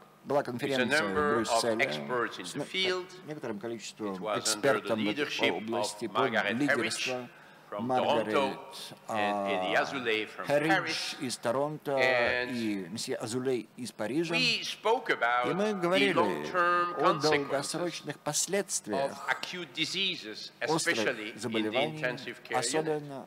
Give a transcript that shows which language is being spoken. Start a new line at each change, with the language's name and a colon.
English: With a number of experts in the field, it was under the leadership of Margaret Herridge from Toronto and Eddie Azoulay from Paris.
Russian: Из Торонто и месье Азулей из Парижа.
English: We spoke about the long-term consequences of acute diseases, especially in the intensive care unit.